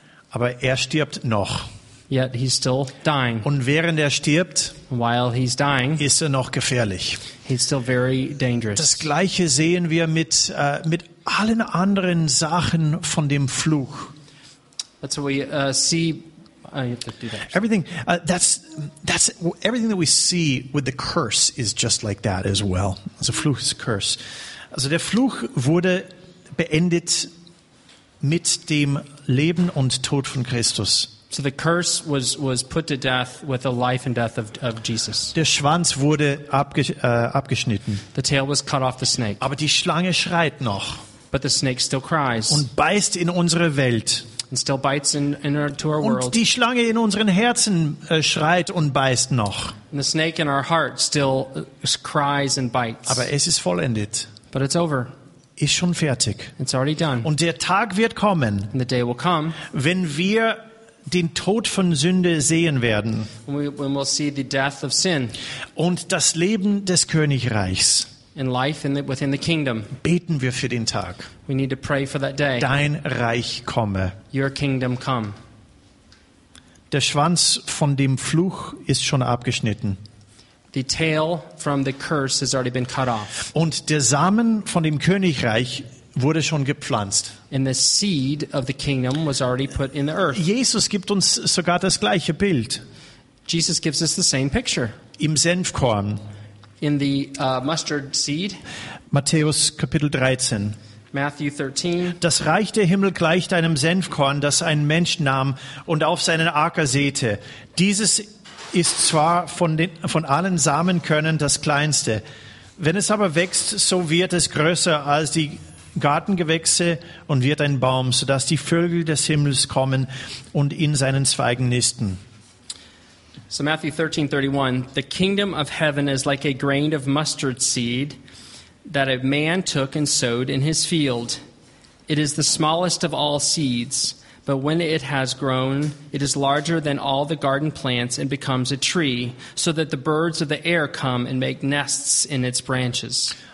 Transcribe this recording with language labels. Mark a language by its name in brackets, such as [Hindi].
[German] Aber er stirbt noch. [English] Yet he's still dying. [German] Und während er stirbt, [English] while he's dying, [German] ist er noch gefährlich. [English] He's still very dangerous. [German] Das gleiche sehen wir mit allen anderen Sachen von dem Fluch. [English] That's what we see. Everything that we see with the curse is just like that as well. [German] Also Fluch ist Curse. Also der Fluch wurde beendet mit dem Leben und Tod von Christus. [English] So the curse was put to death with the life and death of Jesus. [German] Der Schwanz wurde abgeschnitten. [English] The tail was cut off the snake. [German] Aber die Schlange schreit noch. [English] But the snake still cries. [German] Und beißt in unsere Welt. [English] And still bites into our world. [German] Und die Schlange in unseren Herzen schreit und beißt noch. [English] And the snake in our heart still cries and bites. [German] Aber es ist vollendet. [English] But it's over. [German] Ist schon fertig. [English] It's already done. [German] Und der Tag wird kommen. [English] And the day will come. [German] Wenn wir den Tod von Sünde sehen werden. [English] When we'll see the death of sin. [German] Und das Leben des Königreichs. [English] In life in the, within the kingdom. [German] Beten wir für den Tag. [English] We need to pray for that day. [German] Dein Reich komme. [English] Your kingdom come. [German] Der Schwanz von dem Fluch ist schon abgeschnitten. [English] The tail from the curse has already been cut off. [German] Und der Samen von dem Königreich wurde schon gepflanzt. [English] And the seed of the kingdom was already put in the earth. [German] Jesus gibt uns sogar das gleiche Bild. [English] Jesus gives us the same picture. [German] Im Senfkorn. [English] In the mustard seed. [German] Matthäus Kapitel 13. [English] Matthew 13. [German] Das Reich der Himmel gleicht einem Senfkorn, das ein Mensch nahm und auf seinen Acker säte. Dieses ist zwar von allen Samenkörnern das kleinste. Wenn es aber wächst, so wird es größer als die Gartengewächse und wird ein Baum, sodass die Vögel des Himmels kommen und in seinen Zweigen nisten. [English] So Matthew 13:31, the kingdom of heaven is like a grain of mustard seed that a man took and sowed in his field. It is the smallest of all seeds, but when it has grown, it is larger than all the garden plants and becomes a tree, so that the birds of the air come and make nests in its branches.